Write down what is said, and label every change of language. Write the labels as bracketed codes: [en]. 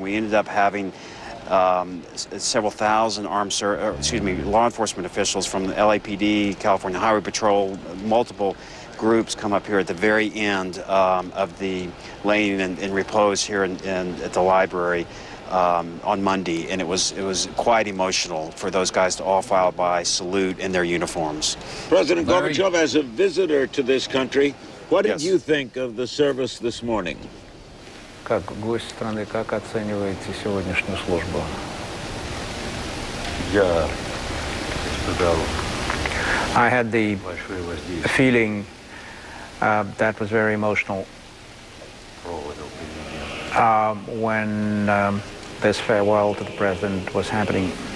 [en] And we ended up having several thousand law enforcement officials from the LAPD, California Highway Patrol, multiple groups come up here at the very end of the laying in repose here in at the library on Monday, and it was quite emotional for those guys to all file by salute in their uniforms. President Gorbachev, as a visitor to this country, what did you think of the service this morning? [ru] Как гость страны, как оцениваете сегодняшнюю службу? Я испытал. [en] I had the feeling that was very emotional when this farewell to the president was happening.